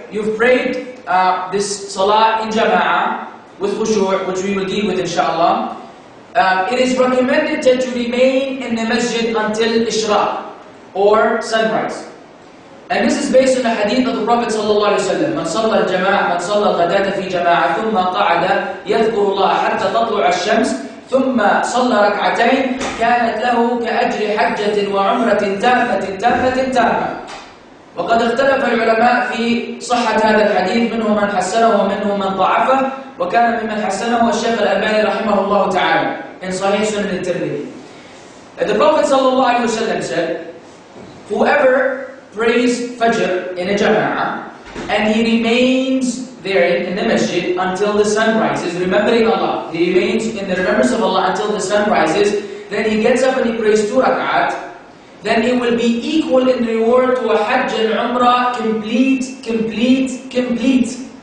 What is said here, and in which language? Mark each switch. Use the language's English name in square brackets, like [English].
[English] You've prayed this salah in jama'ah with khushu', which we will deal with inshallah. It is recommended that you remain in the masjid until Ishraq or sunrise. And this is based on the hadith of the Prophet sallallahu alaihi wasallam. [Arabic] من صلى الجماعة من صلى الغداة في جماعة ثم قعد يذكر الله حتى تطلع الشمس ثم صلى ركعتين كانت له كأجر حجة وعمرة تامة تامة تامة. وقد اختلف العلماء في صحة هذا الحديث، منهم من حسنه ومنهم من ضعفه، وكان ممن حسنه الشيخ الألباني رحمه الله تعالى in صحيح سنن الترمذي. [English] The Prophet [Arabic] صلى الله عليه وسلم [English] said, whoever prays Fajr in a jama'ah and he remains there in the masjid until the sun rises, remembering Allah, he remains in the remembrance of Allah until the sun rises, then he gets up and he prays 2 rak'at, then it will be equal in reward to a Hajj and Umrah complete, complete, complete.